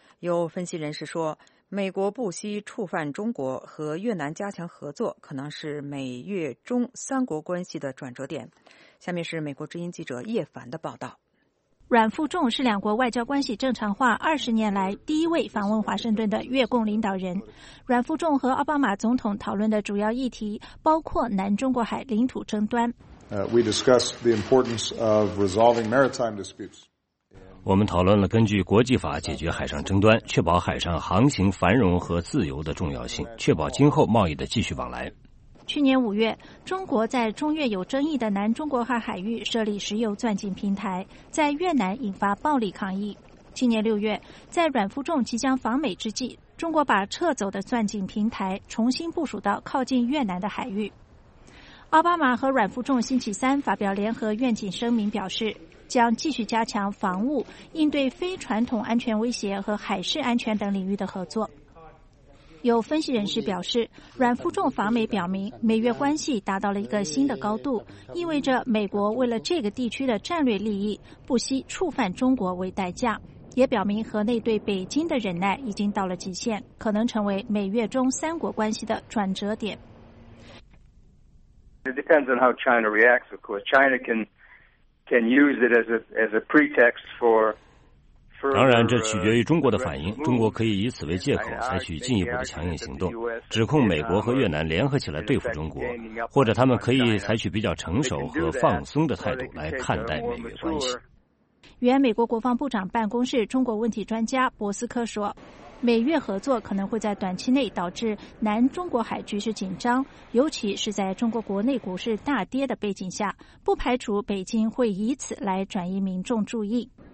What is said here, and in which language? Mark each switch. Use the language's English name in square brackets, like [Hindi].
[Chinese] 有分析人士说，美国不惜触犯中国和越南加强合作，可能是美越中三国关系的转折点。下面是美国之音记者叶凡的报道。阮富仲是两国外交关系正常化20年来第一位访问华盛顿的越共领导人。阮富仲和奥巴马总统讨论的主要议题包括南中国海领土争端。 [English] We discussed the importance of resolving maritime disputes. [Chinese] 我们讨论了根据国际法解决海上争端，确保海上航行繁荣和自由的重要性，确保今后贸易的继续往来。去年五月，中国在中越有争议的南中国海海域设立石油钻井平台，在越南引发暴力抗议。今年六月，在阮富仲即将访美之际，中国把撤走的钻井平台重新部署到靠近越南的海域。奥巴马和阮富仲星期三发表联合愿景声明，表示将继续加强防务、应对非传统安全威胁和海事安全等领域的合作。有分析人士表示，阮富仲访美表明美越关系达到了一个新的高度，意味着美国为了这个地区的战略利益不惜触犯中国为代价，也表明河内对北京的忍耐已经到了极限，可能成为美越中三国关系的转折点。 [English] It depends on how China reacts, of course. China can use it as a pretext for... [Chinese] 当然这取决于中国的反应，中国可以以此为借口采取进一步的强硬行动，指控美国和越南联合起来对付中国，或者他们可以采取比较成熟和放松的态度来看待美越关系。原美国国防部长办公室中国问题专家博斯科说，美越合作可能会在短期内导致南中国海局势紧张，尤其是在中国国内股市大跌的背景下，不排除北京会以此来转移民众注意。